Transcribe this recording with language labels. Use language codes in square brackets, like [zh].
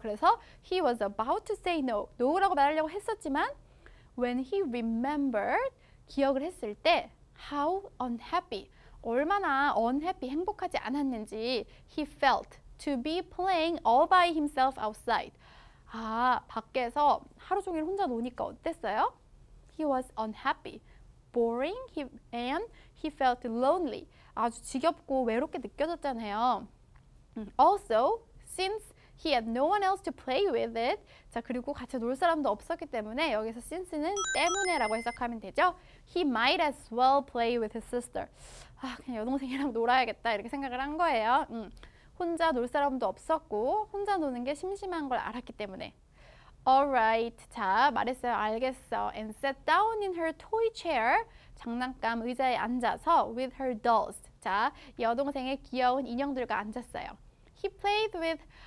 [ko] 그래서 [en] he was about to say no. no [ko] 라고 말하려고 했었지만 [en] when he remembered [ko] 기억을 했을 때 [en] how unhappy [ko] 얼마나 [en] unhappy [ko] 행복하지 않았는지 [en] he felt to be playing all by himself outside. [ko] 아, 밖에서 하루 종일 혼자 노니까 어땠어요? [en] He was unhappy, boring, and he felt lonely. [ko] 아주 지겹고 외롭게 느껴졌잖아요. [en] Also, since he had no one else to play with it, [ko] 자, 그리고 같이 놀 사람도 없었기 때문에 여기서 since는 때문에 라고 해석하면 되죠. [en] He might as well play with his sister. [ko] 아, 그냥 여동생이랑 놀아야겠다 이렇게 생각을 한 거예요. 혼자 놀 사람도 없었고 혼자 노는 게 심심한 걸 알았기 때문에 [en] Alright, [ko] 자 말했어요 알겠어 [en] And sat down in her toy chair [ko] 장난감 의자에 앉아서 [en] with her dolls [ko] 자 여동생의 귀여운 인형들과 앉았어요 [en] He played with